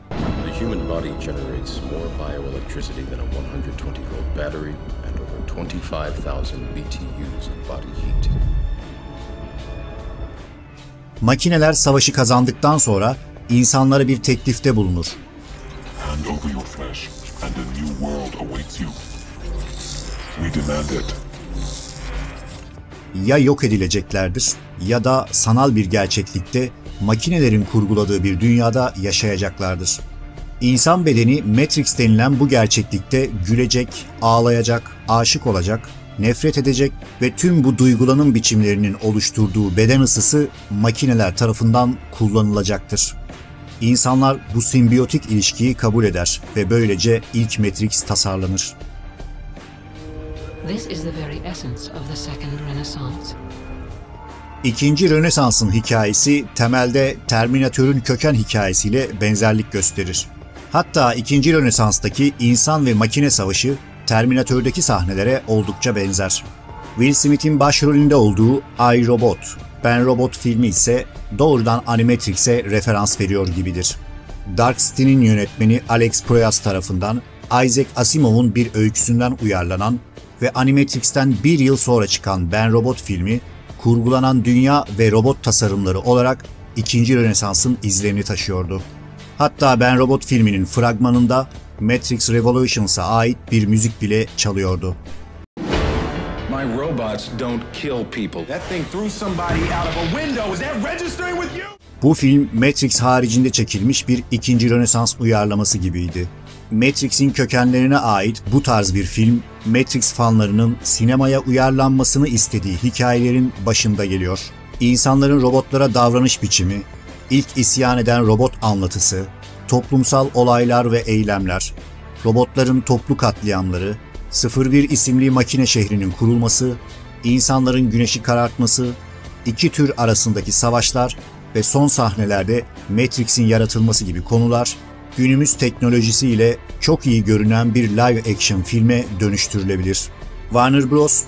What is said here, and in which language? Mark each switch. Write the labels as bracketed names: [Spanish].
[English] The human body generates more bioelectricity than a 120 volt battery and over 25,000 BTUs of body heat. [Turkish] Makineler savaşı kazandıktan sonra insanlara bir teklifte bulunur. [English] Hand over your flesh and a new world awaits you. We demand it. [Turkish] Ya yok edileceklerdir ya da sanal bir gerçeklikte makinelerin kurguladığı bir dünyada yaşayacaklardır. İnsan bedeni Matrix denilen bu gerçeklikte gülecek, ağlayacak, aşık olacak, nefret edecek ve tüm bu duygulanım biçimlerinin oluşturduğu beden ısısı makineler tarafından kullanılacaktır. İnsanlar bu simbiyotik ilişkiyi kabul eder ve böylece ilk Matrix tasarlanır. [English] This is the very essence of the second Renaissance. [Turkish] İkinci Rönesans'ın hikayesi temelde Terminatör'ün köken hikayesiyle benzerlik gösterir. Hatta ikinci Rönesans'taki insan ve makine savaşı Terminatör'deki sahnelere oldukça benzer. Will Smith'in başrolünde olduğu I, Robot, Ben Robot filmi ise doğrudan Animatrix'e referans veriyor gibidir. Dark City'nin yönetmeni Alex Proyas tarafından Isaac Asimov'un bir öyküsünden uyarlanan ve Animatrix'ten bir yıl sonra çıkan Ben Robot filmi, kurgulanan dünya ve robot tasarımları olarak ikinci Rönesans'ın izlerini taşıyordu. Hatta Ben Robot filminin fragmanında Matrix Revolutions'a ait bir müzik bile çalıyordu. [English] My robots don't kill people. That thing threw somebody out of a window. Is that registering with you? [Turkish] Bu film Matrix haricinde çekilmiş bir ikinci Rönesans uyarlaması gibiydi. Matrix'in kökenlerine ait bu tarz bir film, Matrix fanlarının sinemaya uyarlanmasını istediği hikayelerin başında geliyor. İnsanların robotlara davranış biçimi, ilk isyan eden robot anlatısı, toplumsal olaylar ve eylemler, robotların toplu katliamları, 01 isimli makine şehrinin kurulması, insanların güneşi karartması, iki tür arasındaki savaşlar ve son sahnelerde Matrix'in yaratılması gibi konular, günümüz teknolojisiyle çok iyi görünen bir live action filme dönüştürülebilir. Warner Bros.